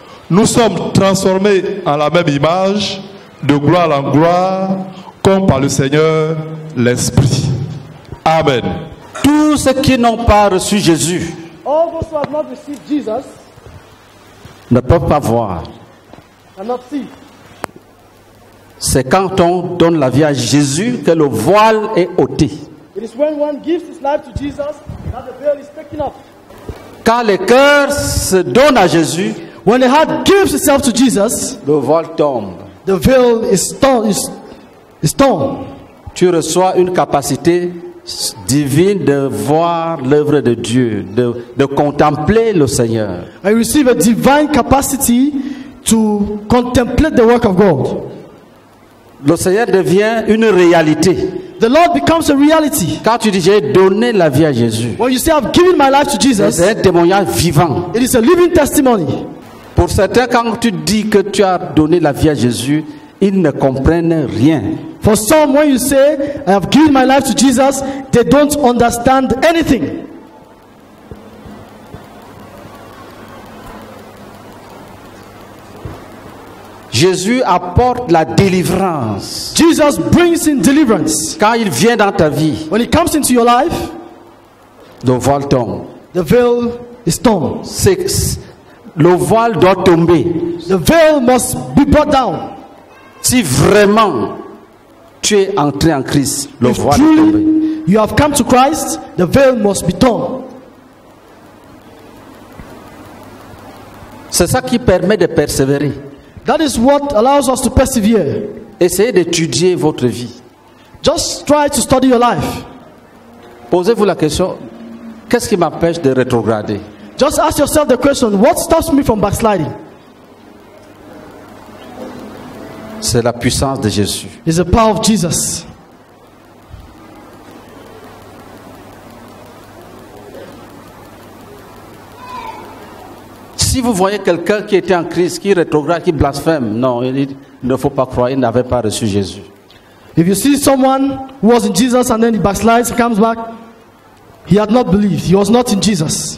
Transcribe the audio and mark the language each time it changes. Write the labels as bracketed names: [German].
[French] Nous sommes transformés en la même image, de gloire en gloire, comme par le Seigneur, l'Esprit. Amen. Tous ceux qui n'ont pas reçu Jésus, [English] all those who have not received Jesus, [French] ne peuvent pas voir. [English] Cannot see. [French] C'est quand on donne la vie à Jésus que le voile est ôté. [English] It is when one gives his life to Jesus that the veil is taken off. [French] Quand le cœur se donne à Jésus, [English] when the heart gives itself to Jesus, [French] le voile tombe. [English] The veil is torn. [French] Tu reçois une capacité divine de voir l'œuvre de Dieu, de contempler le Seigneur. [English] I receive a divine capacity to contemplate the work of God. [French] Le Seigneur devient une réalité. [English] The Lord becomes a reality. [French] Quand tu dis j'ai donné la vie à Jésus, [English] when you say I've given my life to Jesus, [French] c'est un témoignage vivant. [English] It is a living testimony. [French] Pour certains, quand tu dis que tu as donné la vie à Jésus, ils ne comprennent rien. [English] For some, when you say I have given my life to Jesus, they don't understand anything. [French] Jésus apporte la délivrance. [English] Jesus brings in deliverance. [French] Quand il vient dans ta vie, [English] when he comes into your life, [French] le voile tombe. [English] The veil is torn. [French] Six. Le voile doit tomber. [English] The veil must be brought down. [French] Si vraiment tu es entré en Christ, le [English] if [French] voile [English] truly [French] est tombé. [English] You have come to Christ, the veil must be torn. [French] C'est ça qui permet de persévérer. [English] That is what allows us to persevere. [French] Essayez d'étudier votre vie. [English] Just try to study your life. [French] Posez-vous la question, qu'est-ce qui m'empêche de rétrograder? [English] Just ask yourself the question, what stops me from backsliding? [French] C'est la puissance de Jésus. [English] It's the power of Jesus. [French] Si vous voyez quelqu'un qui était en Christ, qui rétrograde, qui blasphème, non, il ne faut pas croire, il n'avait pas reçu Jésus. [English] If you see someone who was in Jesus and then he backslides, he comes back, he had not believed, he was not in Jesus.